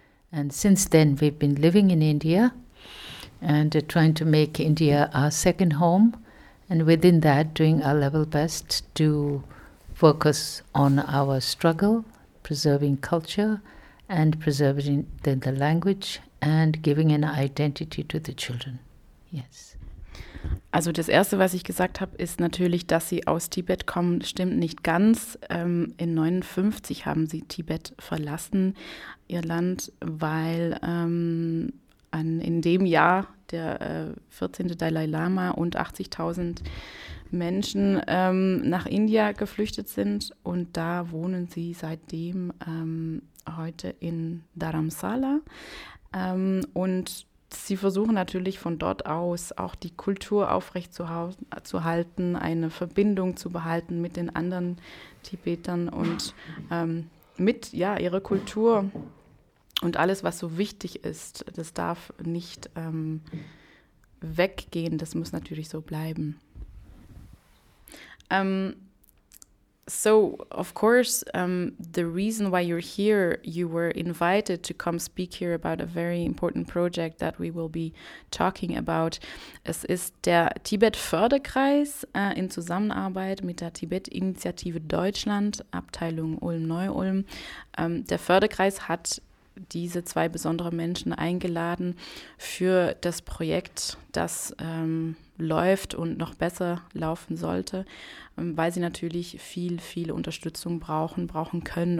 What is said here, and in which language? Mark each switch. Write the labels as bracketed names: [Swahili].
[English] And since then we've been living in India and trying to make India our second home, and within that doing our level best to focus on our struggle, preserving culture and preserving the language and giving an identity to the children. Yes. [German] Also das Erste, was ich gesagt habe, ist natürlich, dass Sie aus Tibet kommen. Stimmt nicht ganz. In 59 haben Sie Tibet verlassen, Ihr Land, weil in dem Jahr der 14. Dalai Lama und 80.000 Menschen nach India geflüchtet sind, und da wohnen sie seitdem heute in Dharamsala. Und sie versuchen natürlich von dort aus auch die Kultur aufrecht zu halten, eine Verbindung zu behalten mit den anderen Tibetern und mit ihrer Kultur und alles, was so wichtig ist. Das darf nicht weggehen, das muss natürlich so bleiben. [English] So, of course, the reason why you're here, you were invited to come speak here about a very important project that we will be talking about. [German] Es ist der Tibet-Förderkreis in Zusammenarbeit mit der Tibet-Initiative Deutschland, Abteilung Ulm-Neu-Ulm. Der Förderkreis hat diese zwei besonderen Menschen eingeladen für das Projekt, das läuft und noch besser laufen sollte, weil sie natürlich viel, viel Unterstützung brauchen können.